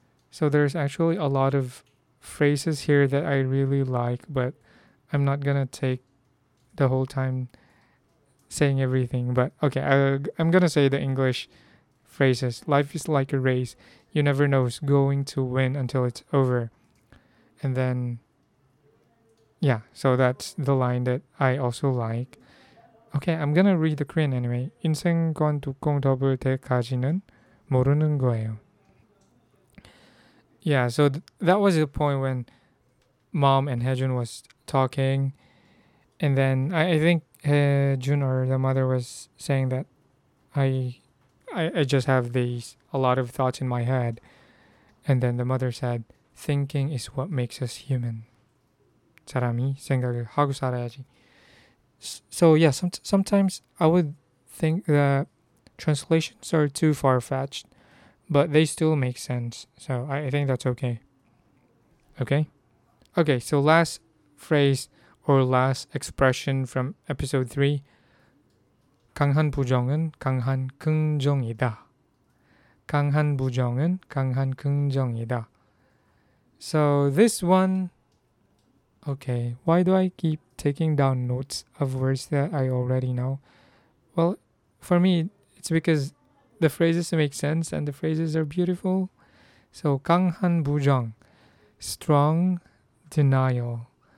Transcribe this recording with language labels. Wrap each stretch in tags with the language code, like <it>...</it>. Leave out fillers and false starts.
<en>So there's actually a lot of phrases here that I really like, but I'm not gonna take the whole time saying everything, but okay, I'm gonna say the English phrases. Life is like a race. You never know who's going to win until it's over. And then, yeah, so that's the line that I also like. Okay, I'm gonna read the Korean anyway.</en> <ko>인생 건 뚜껑 덮을 때까지는 모르는 거예요.</ko> <en>Yeah, so that was the point when mom and Haejun was talking. And then I think Haejun or the mother was saying that I just have these, a lot of thoughts in my head. And then the mother said, thinking is what makes us human.</en> <ko>사람이 생각을 하고 살아야지.</ko> <en>So yeah, sometimes I would think that translations are too far-fetched, but they still make sense. So I think that's okay. Okay? Okay, so last phrase or last expression from episode 3.</en> <ko>강한 부정은 강한 긍정이다. 강한 부정은 강한 긍정이다.</ko> <en>So this one, okay, why do I keep taking down notes of words that I already know? Well, for me, it's because the phrases make sense and the phrases are beautiful. So 강한 부정, strong denial.</en>